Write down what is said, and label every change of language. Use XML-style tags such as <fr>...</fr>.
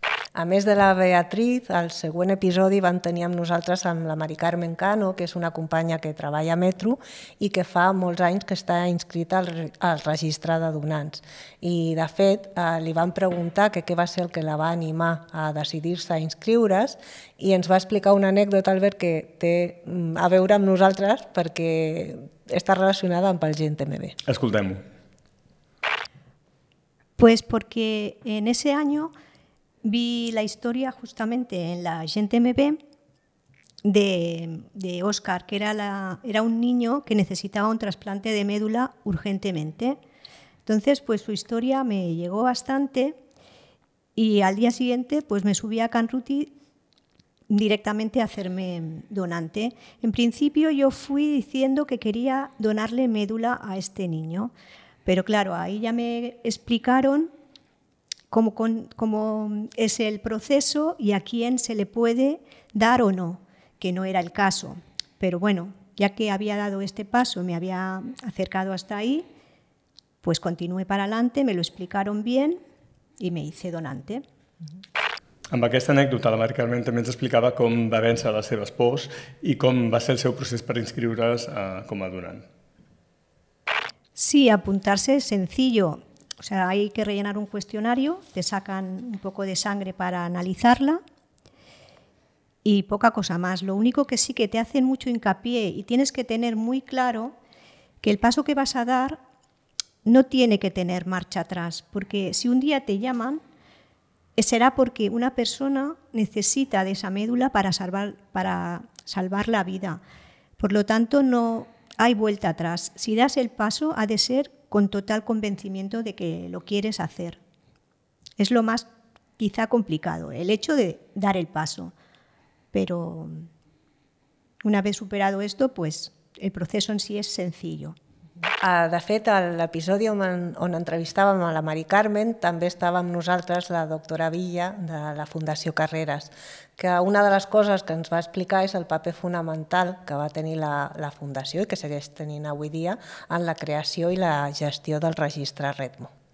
<ca>A més de la Beatriz, al següent episodi vam tenir amb nosaltres amb la Mari Carmen Cano, que és una companya que treballa a Metro i que fa molts anys que està inscrita al registre de donants. I, de fet, li vam preguntar què va ser el que la va animar a decidir-se a inscriure's i ens va explicar una anècdota, Albert, que té a veure amb nosaltres perquè està relacionada amb el Gent TMB. Escoltem-ho.</ca> <es>Pues porque en ese año vi la historia justamente en la Gent MB de Óscar, que era un niño que necesitaba un trasplante de médula urgentemente. Entonces, pues su historia me llegó bastante y al día siguiente pues me subí a Can Ruti directamente a hacerme donante. En principio yo fui diciendo que quería donarle médula a este niño, pero claro, ahí ya me explicaron cómo es el proceso y a quién se le puede dar o no, que no era el caso. Pero bueno, ya que había dado este paso, me había acercado hasta ahí, pues continué para adelante, me lo explicaron bien y me hice donante.</es> <ca>Amb aquesta anècdota, la Mari Carmen també ens explicava com va vèncer les seves pors i com va ser el seu procés per inscriure's com a donant.</ca> <es>Sí, apuntarse es sencillo. O sea, hay que rellenar un cuestionario, te sacan un poco de sangre para analizarla y poca cosa más. Lo único que sí que te hacen mucho hincapié y tienes que tener muy claro que el paso que vas a dar no tiene que tener marcha atrás, porque si un día te llaman, será porque una persona necesita de esa médula para salvar la vida. Por lo tanto, no hay vuelta atrás. Si das el paso, ha de ser con total convencimiento de que lo quieres hacer. Es lo más quizá complicado, el hecho de dar el paso. Pero una vez superado esto, pues el proceso en sí es sencillo.</es> <ca>De fet, a l'episodi on entrevistàvem a la Mari Carmen també estava amb nosaltres la doctora Villa de la Fundació Carreras, que una de les coses que ens va explicar és el paper fonamental que va tenir la Fundació i que segueix tenint avui dia en la creació i la gestió del registre RETMO.</ca>